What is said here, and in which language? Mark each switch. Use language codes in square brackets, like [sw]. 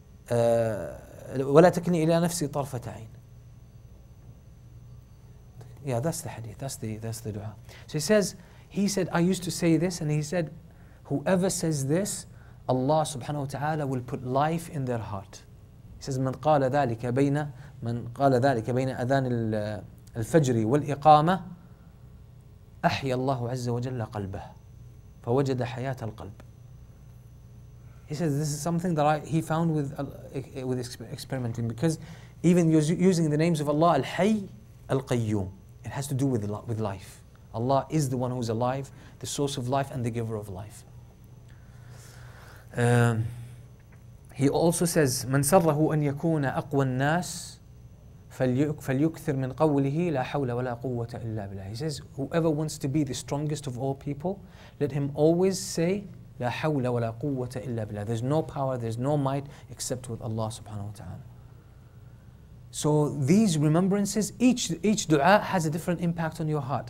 [ar] وَلَا تَكْنِي إِلَىٰ نَفْسِي طَرْفَتَعِينَ. [en] Yeah, that's the hadith. That's the dua. So he said, I used to say this, and he said, whoever says this, Allah subhanahu wa ta'ala will put life in their heart. He says, [ar] من قال ذلك بين من قال ذلك بين أذان الفجر والإقامة أحيى الله عز وجل قلبه فوجد حياة القلب. [en] He says this is something that he found with experimenting, because even using the names of Allah Al-Hayy Al-Qayyum, it has to do with life. Allah is the one who is alive, the source of life, and the giver of life. He also says, [ar] من سره أن يكون أقوى الناس فليكثر من قوله لا حول ولا قوة إلا بالله. [en] He says, whoever wants to be the strongest of all people, let him always say, [ar] لا حول ولا قوة إلا بالله. [en] There's no power, there's no might except with Allah subhanahu wa ta'ala. So these remembrances, each dua has a different impact on your heart.